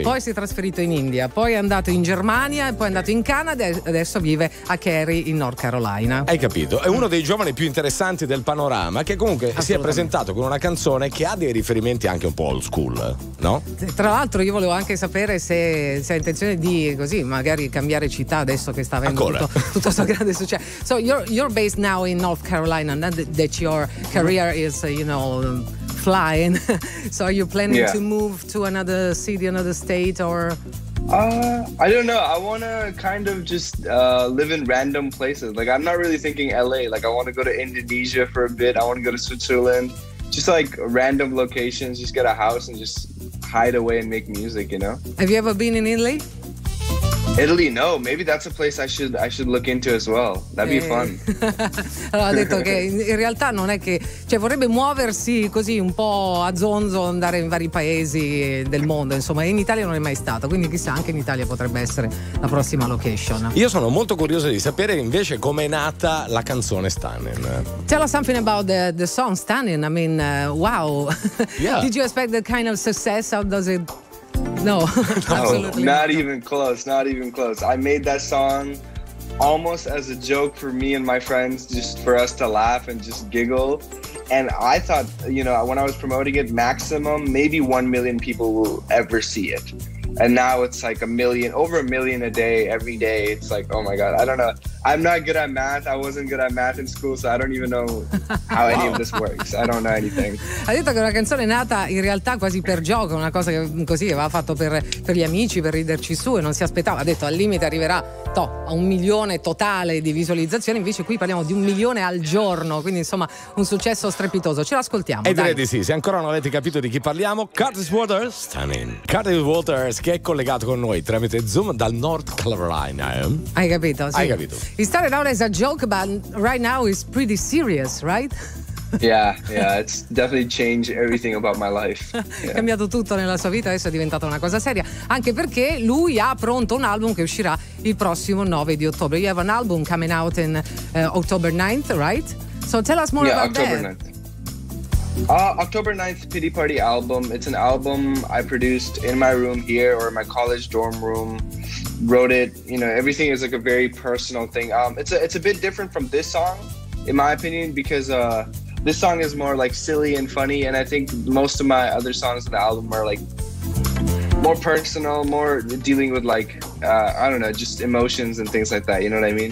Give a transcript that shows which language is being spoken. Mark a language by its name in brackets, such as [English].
[Italian] Poi si è trasferito in India, poi è andato in Germania, poi è andato in Canada e adesso vive a Cary in North Carolina. Hai capito? È uno dei giovani più interessanti del panorama, che comunque si è presentato con una canzone che ha dei riferimenti anche un po' old school, no? Tra l'altro io volevo anche sapere se hai intenzione di così magari cambiare città adesso che sta avendo tutto questo grande successo. [English] So you're based now in North Carolina, not that your career is flying. So are you planning to move to another city, another state, or I don't know. I want to kind of just live in random places. Like, I'm not really thinking LA. Like, I want to go to Indonesia for a bit. I want to go to Switzerland, just like random locations, just get a house and just hide away and make music, you know. Have you ever been in Italy? Italy, no, maybe that's a place I should look into as well. That'd be fun. [Italian] Allora, ha detto che in realtà non è che, cioè, vorrebbe muoversi così un po' a zonzo, andare in vari paesi del mondo, insomma, in Italia non è mai stato, quindi chissà, anche in Italia potrebbe essere la prossima location. Io sono molto curioso di sapere invece com'è nata la canzone Stunning. [English] Tell us something about the song Stunning. I mean, wow. Yeah. Did you expect that kind of success? How does it... No, absolutely not. Even close, not even close. I made that song almost as a joke for me and my friends, just for us to laugh and just giggle. And I thought, you know, when I was promoting it, maximum maybe 1 million people will ever see it. And now it's like over a million a day, every day. It's like, oh my God, I don't know. I'm not good at math. I wasn't good at math in school, so I don't even know how any of this works. I don't know anything. [Italian] Ha detto che una canzone è nata in realtà quasi per gioco, una cosa che così aveva fatto per gli amici, per riderci su, e non si aspettava. Ha detto al limite arriverà a 1 milione totale di visualizzazioni, invece qui parliamo di 1 milione al giorno, quindi insomma un successo strepitoso. Ce l'ascoltiamo. E direi di sì, se ancora non avete capito di chi parliamo, Curtis Waters. Stunning. Curtis Waters, che è collegato con noi tramite Zoom dal North Carolina. Hai capito? Sì. Hai capito. [English] It started out as a joke, but right now it's pretty serious, right? Yeah, it's definitely changed everything about my life. Yeah. [Italian] Cambiato tutto nella sua vita, adesso è diventata una cosa seria. Anche perché lui ha pronto un album che uscirà il prossimo 9 di ottobre. [English] You have an album coming out in October 9th, right? So tell us more about October that. October 9th. October 9th, Pity Party album. It's an album I produced in my room here, or in my college dorm room. Wrote it, you know, everything is like a very personal thing. It's a bit different from this song, in my opinion, because this song is more like silly and funny, and I think most of my other songs in the album are like more personal, more dealing with like I don't know, just emotions and things like that, you know what I mean?